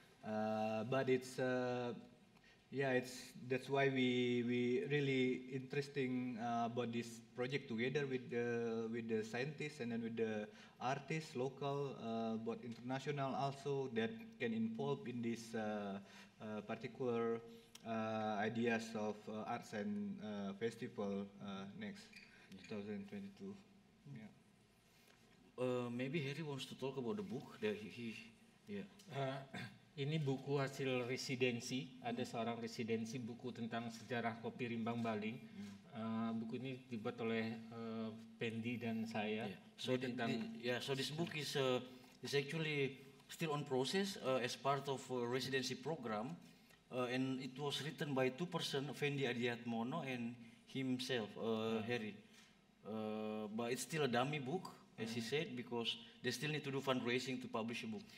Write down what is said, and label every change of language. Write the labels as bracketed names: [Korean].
[English] But it's it's that's why we really interesting about this project together with the scientists and then with the artists local but international also that can involve in this particular ideas of arts and festival next 2022. Yeah. Maybe Harry wants to talk about the book that he yeah. [Indonesian] Ini buku hasil residensi, ada seorang residensi buku tentang sejarah kopi Rimbang Baling. Buku ini dibuat oleh Pendi dan saya. [English] Yeah. So this book is actually still on process as part of a residency program, and it was written by two person, Fendi Adiatmono and himself, Harry. But it's still a dummy book. As he said, because they still need to do fundraising to publish a book.